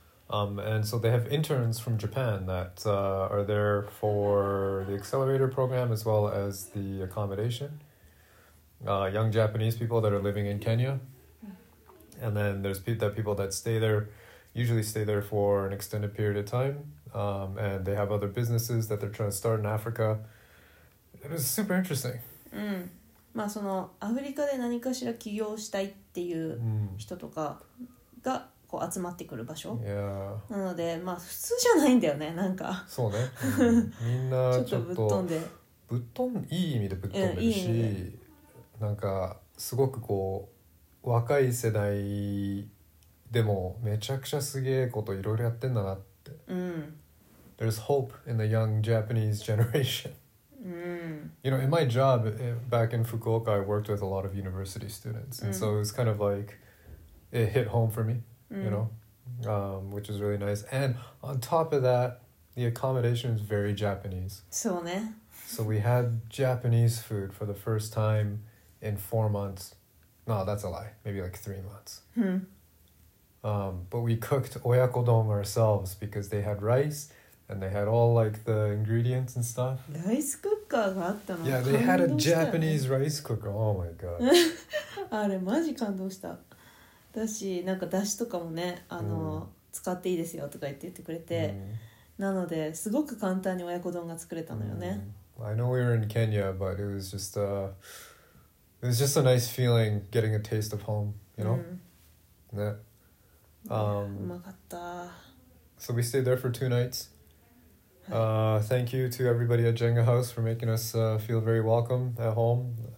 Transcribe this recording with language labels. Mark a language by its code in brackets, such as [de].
[en] And so they have interns from Japan that are there for the accelerator program as well as the accommodation. Young Japanese people that are living in Kenya. And then there's people that stay there, usually stay there for an extended period of time. And they have other businesses that they're trying to start in Africa. It was super interesting. [ja] まあそのアフリカで何かしら起業したいっていう人とかがこう集まってくる場所。 [en] Yeah. [ja] なのでまあ普通じゃないんだよね、なんか。そうね。みんなちょっとぶっ飛んで。いい意味でぶっ飛んでるし、なんかすごくこう、若い世代でもめちゃくちゃすげえこといろいろやってんだなって。 [en] There's hope in the young Japanese generation. You know, in my job back in Fukuoka, I worked with a lot of university students. And so it was kind of like, it hit home for me, you know, which is really nice. And on top of that, the accommodation is very Japanese. [ja] そうね。 [en] So we had Japanese food for the first time in 4 months. No, that's a lie. Maybe like 3 months. But we cooked oyakodon ourselves because they had rice and they had all like the ingredients and stuff. [ja] Rice cooker があったの? [en] Yeah, they had a Japanese rice cooker. Oh my god. [ja] あれ、マジ感動した。だし、なんかだしとかもね、使っていいですよとか言ってくれて、なので、すごく簡単に親子丼が作れたのよね。 [en] I know we were in Kenya, but it was just It's just a nice feeling getting a taste of home, you know? Mm. Yeah. So we stayed there for 2 nights. Thank you to everybody at Jenga House for making us feel very welcome at home.